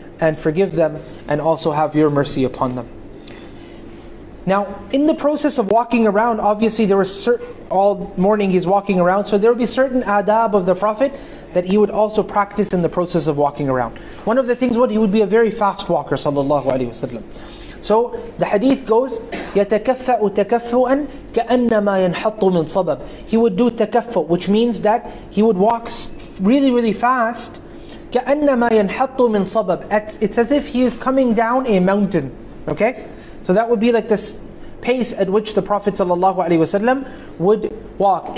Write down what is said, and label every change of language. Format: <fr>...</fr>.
<en>and forgive them, and also have your mercy upon them. Now, in the process of walking around, obviously there was all morning he's walking around, so there would be certain adab of the Prophet that he would also practice in the process of walking around. One of the things would, he would be a very fast walker, sallallahu alayhi wasallam. So the hadith goes,</en> <ar>يَتَكَفَّأُ تَكَفُّؤًا كَأَنَّمَا يَنْحَطُّ مِنْ صَبَبٍ.</ar> <en>He would do takaffu', which means that he would walk really, really fast.</en> <ar>كَأَنَّمَا يَنْحَطُّ مِنْ صَبَبٍ.</ar> <en>It's as if he is coming down a mountain. Okay? So that would be like the pace at which the Prophet ﷺ would walk.</en>